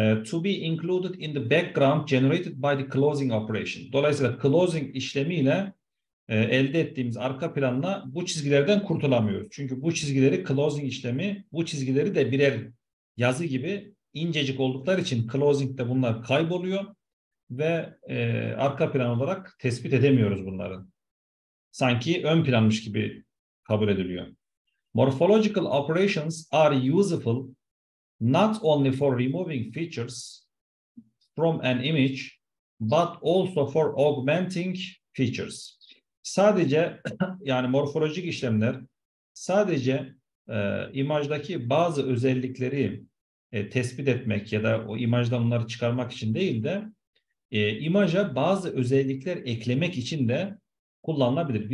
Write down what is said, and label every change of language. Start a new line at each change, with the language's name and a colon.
English: To be included in the background generated by the closing operation.
Turkish: Dolayısıyla closing işlemiyle elde ettiğimiz arka planla bu çizgilerden kurtulamıyoruz. Çünkü bu çizgileri closing işlemi, bu çizgileri de birer yazı gibi incecik oldukları için closing'de bunlar kayboluyor ve arka plan olarak tespit edemiyoruz bunları. Sanki ön planmış gibi kabul ediliyor.
English: Morphological operations are useful not only for removing features from an image but also for augmenting features.
Turkish: Sadece yani morfolojik işlemler sadece imajdaki bazı özellikleri tespit etmek ya da o imajdan onları çıkarmak için değil de imaja bazı özellikler eklemek için de kullanılabilir.